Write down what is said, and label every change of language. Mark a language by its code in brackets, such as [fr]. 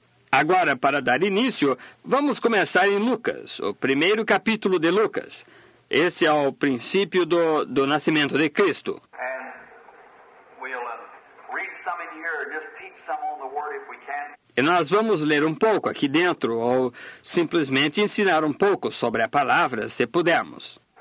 [pt] Agora, para dar início, vamos começar em Lucas, o primeiro capítulo de Lucas. Esse é o princípio do nascimento de Cristo. [en] And we'll read some in here, just teach some on the word if we can. [pt] E nós vamos ler um pouco aqui dentro, ou simplesmente ensinar um pouco sobre a palavra, se pudermos.